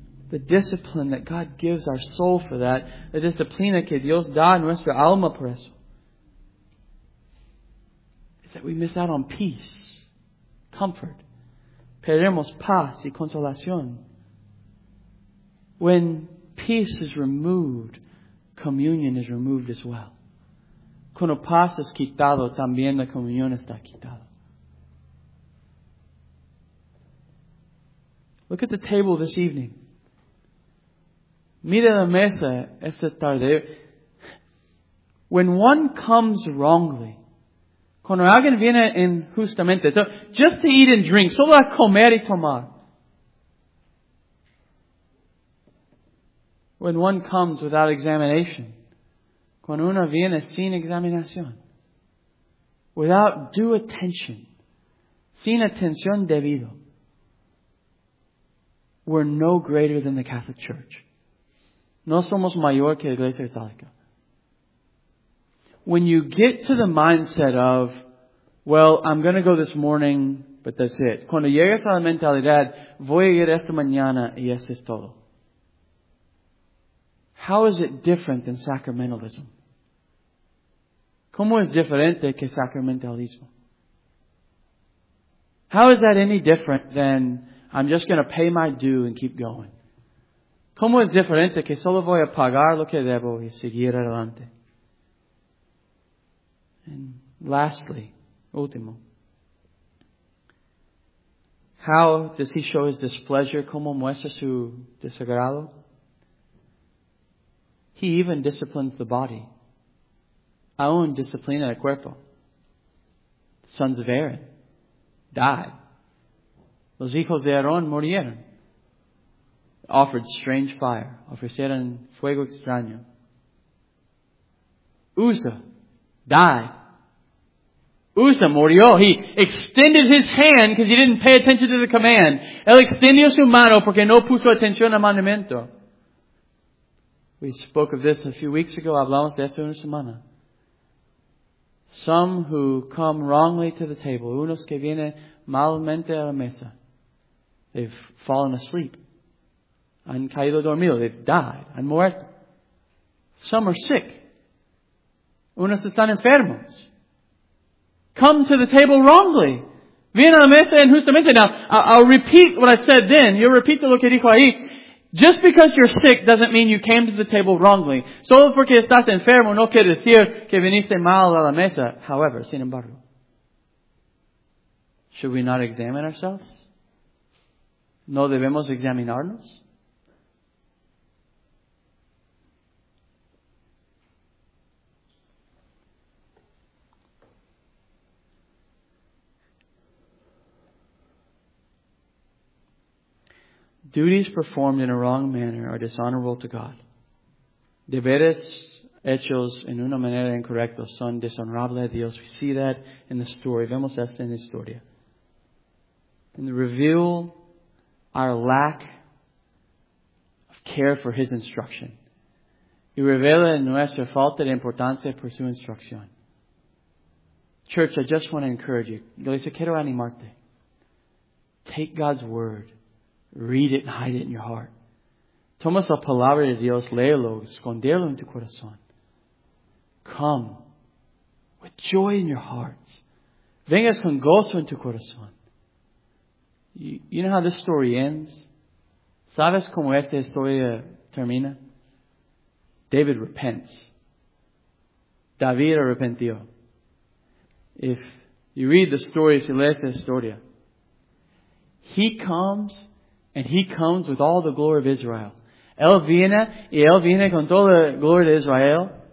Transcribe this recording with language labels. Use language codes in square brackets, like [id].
[en] The discipline that God gives our soul for that, [es] la disciplina que Dios da a nuestra alma por eso, [en] is that we miss out on peace, comfort. [es] Perdemos paz y consolación. [en] When peace is removed, communion is removed as well. [es] Cuando paz es quitado, también la comunión está quitada. [en] Look at the table this evening. [es] Mira la mesa esta tarde. [en] When one comes wrongly, [es] cuando alguien viene injustamente, [en] so just to eat and drink, [es] solo a comer y tomar. [en] When one comes without examination, [es] cuando uno viene sin examinación, [en] without due attention, [es] sin atención debido, [en] we're no greater than the Catholic Church. [es] No somos mayor que la Iglesia Católica. [en] When you get to the mindset of, well, I'm going to go this morning, but that's it. [es] Cuando llegas a la mentalidad, voy a ir esta mañana y eso es todo. [en] How is it different than sacramentalism? [es] ¿Cómo es diferente que sacramentalismo? [en] How is that any different than I'm just going to pay my due and keep going? [es] ¿Cómo es diferente que solo voy a pagar lo que debo y seguir adelante? [en] And lastly, [es] último, [en] how does he show his displeasure? [es] ¿Cómo muestra su desagrado? [en] He even disciplines the body. [es] Aún disciplina el cuerpo. [en] The sons of Aaron died. [es] Los hijos de Aarón murieron. [en] Offered strange fire. [es] Ofrecieron fuego extraño. [en] Uzzah died. [es] Uzzah murió. [en] He extended his hand because he didn't pay attention to the command. [es] Él extendió su mano porque no puso atención al mandamiento. [en] We spoke of this a few weeks ago. [es] Hablamos de esto una semana. [en] Some who come wrongly to the table. [es] Unos que vienen malamente a la mesa. [en] They've fallen asleep. [es] Han caído dormido. [en] They've died. [es] Han muerto. [en] Some are sick. [es] Unos están enfermos. [en] Come to the table wrongly. [es] Vienen a la mesa injustamente. [en] Now, I'll repeat what I said then. [es] Yo repito lo que dijo ahí. [en] Just because you're sick doesn't mean you came to the table wrongly. [es] Solo porque estás enfermo no quiere decir que viniste mal a la mesa. [en] However, [es] sin embargo, [en] should we not examine ourselves? [es] ¿No debemos examinarnos? [en] Duties performed in a wrong manner are dishonorable to God. [es] Deberes hechos en una manera incorrecta son deshonorables a Dios. [en] We see that in the story. [es] Vemos esto en la historia. [en] And reveal our lack of care for His instruction. [es] Y revela nuestra falta de importancia por su instrucción. [en] Church, I just want to encourage you. [es] Yo les quiero animarte. [en] Take God's word. Read it and hide it in your heart. [es] Toma la palabra de Dios, léelo, escondelo en tu corazón. [en] Come with joy in your hearts. [es] Vengas con gozo en tu corazón. [en] You know how this story ends? [es] ¿Sabes cómo esta historia termina? [en] David repents. [es] David arrepentió. [en] If you read the story, [es] si lees la historia, [en] he comes. And he comes with all the glory of Israel. [es] Él viene, y él viene con toda la gloria de Israel.